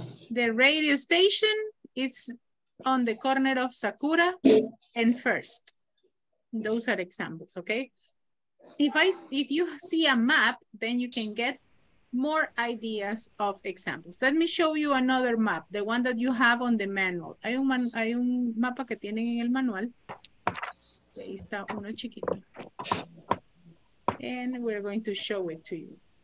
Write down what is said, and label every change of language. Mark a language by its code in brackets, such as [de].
[en] The radio station is on the corner of Sakura and First. Those are examples, okay? If you see a map, then you can get more ideas of examples. Let me show you another map, the one that you have on the manual. [es] Hay un mapa que tienen en el manual. Ahí está uno chiquito. [en] And we're going to show it to you.